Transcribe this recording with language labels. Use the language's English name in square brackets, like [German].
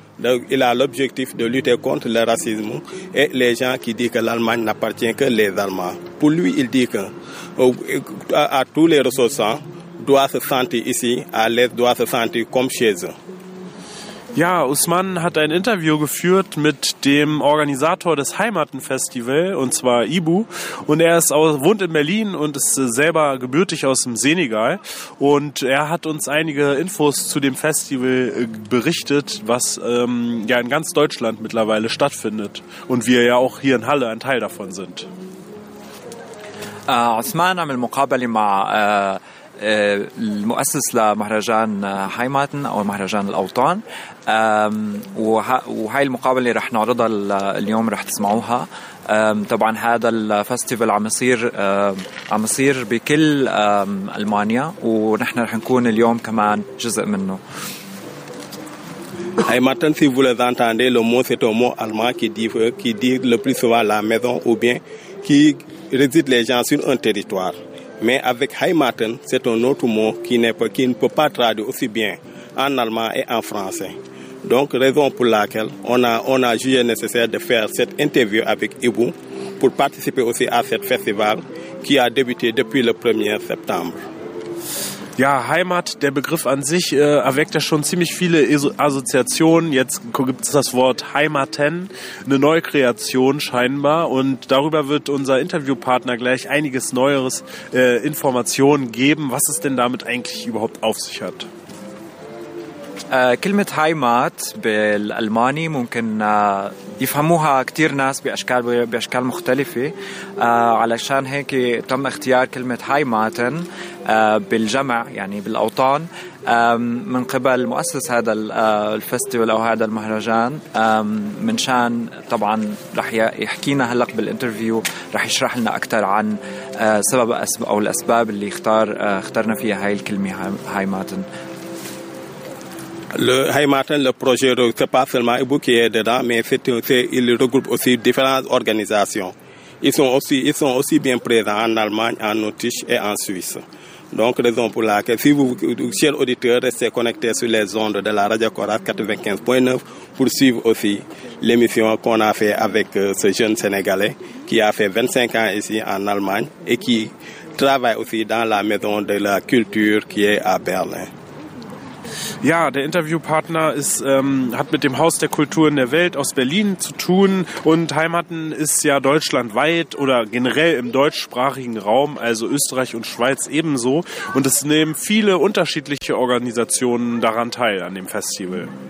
[French] Donc, il a l'objectif de lutter contre le racisme et les gens qui disent que l'Allemagne n'appartient que les Allemands. Pour lui, il dit que à tous les ressortissants doivent se sentir ici, à l'aise, doivent se sentir comme chez eux. [German] Ja, Usman hat ein Interview geführt mit dem Organisator des Heimatenfestival, und zwar Ibu. Und er wohnt in Berlin und ist selber gebürtig aus dem Senegal. Und er hat uns einige Infos zu dem Festival berichtet, was ja in ganz Deutschland mittlerweile stattfindet. Und wir ja auch hier in Halle ein Teil davon sind. [Arabic] Usman am Al-Muqabali ma المؤسس لمهرجان هايماتن أو مهرجان الأوطان وهاي المقابلة رح نعرضها اليوم رح تسمعوها. طبعا هذا الفستيفال عم يصير بكل ألمانيا ونحن رح نكون اليوم كمان جزء منه. [French] Heimaten, si vous les entendez, le mot c'est un mot allemand qui dit le plus souvent la maison ou bien qui réside les gens sur un territoire. Mais avec Heimaten, c'est un autre mot qui ne peut pas traduire aussi bien en allemand et en français. Donc, raison pour laquelle on a jugé nécessaire de faire cette interview avec Ibu pour participer aussi à ce festival qui a débuté depuis le 1er septembre. [German] Ja, Heimat, der Begriff an sich erweckt ja schon ziemlich viele Assoziationen. Jetzt gibt es das Wort Heimaten, eine Neukreation scheinbar. Und darüber wird unser Interviewpartner gleich einiges Neueres Informationen geben, was es denn damit eigentlich überhaupt auf sich hat. [Arabic] كلمة هايمات بالألماني ممكن يفهموها كتير ناس بأشكال مختلفة علشان هيك تم اختيار كلمة هايماتن بالجمع يعني بالأوطان من قبل مؤسس هذا الفستيفال أو هذا المهرجان منشان طبعا رح يحكينا هلق بالانترفيو رح يشرح لنا أكتر عن سبب أو الأسباب اللي اخترنا فيها هاي الكلمة هايماتن. [French] Le Heimaten, le projet, ce n'est pas seulement Ibu qui est dedans, mais il regroupe aussi différentes organisations. Ils sont aussi bien présents en Allemagne, en Autriche et en Suisse. Donc, raison pour laquelle, si vous, chers auditeurs, restez connectés sur les ondes de la Radio Coras 95.9 pour suivre aussi l'émission qu'on a fait avec ce jeune Sénégalais qui a fait 25 ans ici en Allemagne et qui travaille aussi dans la maison de la culture qui est à Berlin. [German] Ja, der Interviewpartner hat mit dem Haus der Kulturen der Welt aus Berlin zu tun und Heimaten ist ja deutschlandweit oder generell im deutschsprachigen Raum, also Österreich und Schweiz ebenso. Und es nehmen viele unterschiedliche Organisationen daran teil an dem Festival.